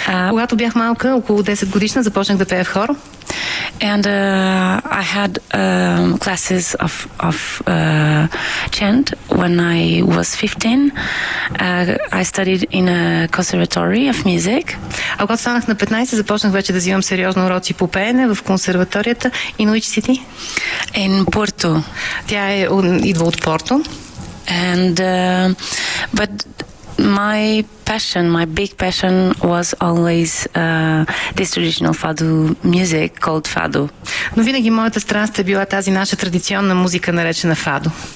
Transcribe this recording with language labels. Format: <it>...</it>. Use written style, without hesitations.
<bg>Когато бях малка, около 10 годишна, започнах да пея в хор.</bg> <en>And I had classes of chant when I was 15. I studied in a conservatory of music.</en> <bg>А когато станах на 15, започнах вече да взимам сериозно уроци по пеене в консерваторията.</bg> <en>In which city? In Porto.</en> <bg>Тя идва от Порто.</bg> <en>And but my passion, my big passion was always this traditional fado music called fado.</en> <bg>Но винаги моята страст е била тази наша традиционна музика, наречена фадо.</bg>